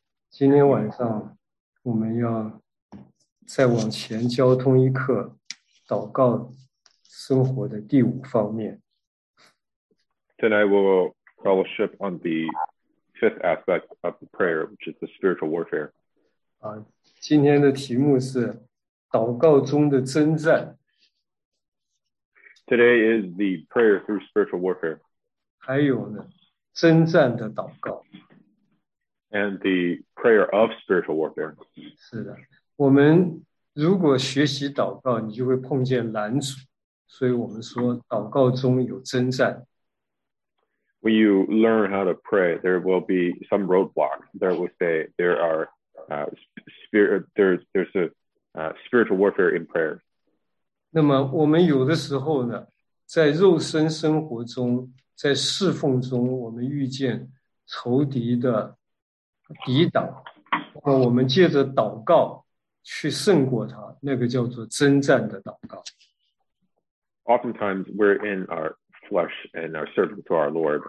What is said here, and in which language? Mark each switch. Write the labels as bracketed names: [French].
[Chinese] 今天晚上，我们要再往前交通一刻，祷告生活的第五方面。 [English] Tonight we'll fellowship on the fifth aspect of the prayer, which is the spiritual warfare. [Chinese] 今天的题目是祷告中的征战， [English] Today is the prayer through spiritual warfare. [Chinese] 还有呢，征战的祷告。 [English] And the prayer of spiritual warfare. [Chinese] 是的，我们如果学习祷告，你就会碰见拦阻，所以我们说祷告中有征战。 [English] When you learn how to pray, there will be some roadblock. There will say there are spirit there's a spiritual warfare in prayer. [Chinese] 那么我们有的时候呢，在肉身生活中，在侍奉中，我们遇见仇敌的抵挡，那我们借着祷告去胜过他，那个叫做征战的祷告。 [English] Oftentimes we're in our flesh and are serving to our Lord.